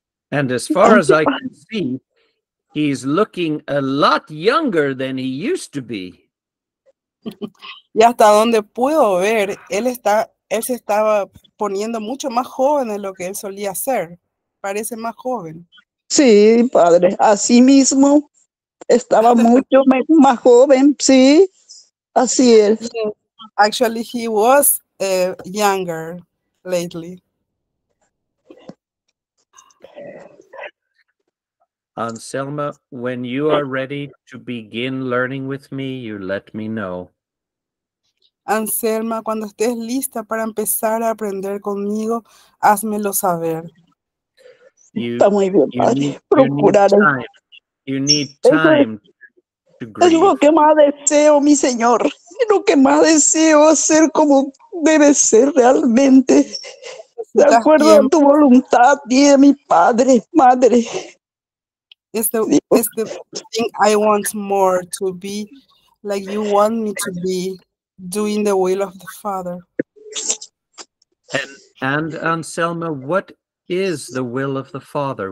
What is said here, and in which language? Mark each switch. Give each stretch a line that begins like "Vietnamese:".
English: And as far as I can see, he's looking a lot younger than he used to be.
Spanish: Y hasta donde puedo ver, él está él se estaba poniendo mucho más joven de lo que él solía ser. Parece más joven. Sí, padre, así mismo estaba mucho más joven, sí, así es.
English: Actually, he was younger lately. Anselma, when you are ready to begin learning with me, you let me know.
Spanish: Anselma, cuando estés lista para empezar a aprender conmigo, házmelo saber. Está muy bien, padre. Procuraré.
English: You need time to grieve.
Spanish: Es lo que más deseo, mi señor. Es lo que más deseo, hacer como debe ser realmente. De acuerdo a tu voluntad, dime, mi padre, madre.
English: It's the thing I want more, to be like you want me to be, doing the will of the Father. And Anselma, what is the will of the Father?